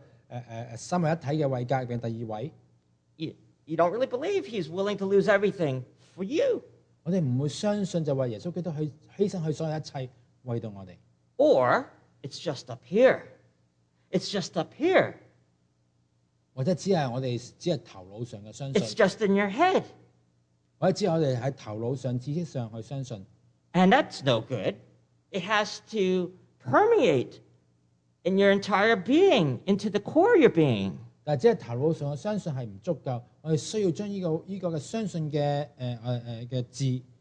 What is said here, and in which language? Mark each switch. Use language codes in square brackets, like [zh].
[zh] 我們可能沒有一個信心去相信這就是神的兒子,這就是有一個三位一體的位格,第二位。 [en] You don't really believe he's willing to lose everything for you. [zh] 我們不會相信耶穌基督犧牲所有一切為我們。 [en] Or, it's just up here. It's just up here. [zh] 或者我們只是頭腦上的相信。 [en] It's just in your head. [zh] 或者我們在頭腦上、知識上去相信。 [en] And that's no good. It has to permeate in your entire being, into the core of your being. [zh] 但只是頭腦上的相信是不足夠,我們需要將這個相信的字